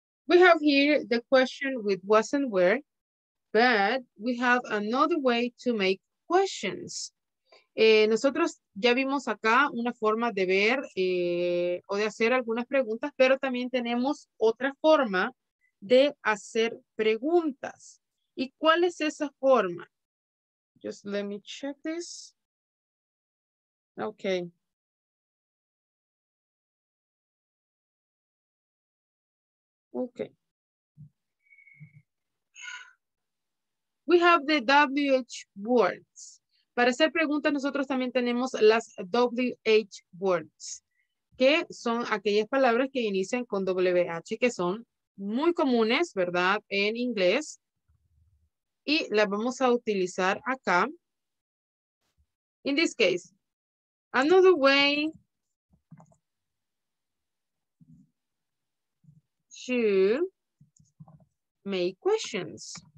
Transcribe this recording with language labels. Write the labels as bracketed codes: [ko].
[en] We have here the question with was and where, but we have another way to make questions. [es] Nosotros ya vimos acá una forma de ver o de hacer algunas preguntas, pero también tenemos otra forma de hacer preguntas. ¿Y cuál es esa forma? [en] Just let me check this. Okay. Okay. We have the WH words. [es] Para hacer preguntas, nosotros también tenemos las WH words, que son aquellas palabras que inician con WH, que son muy comunes, ¿verdad?, en inglés. Y las vamos a utilizar acá. [en] In this case, another way to make questions.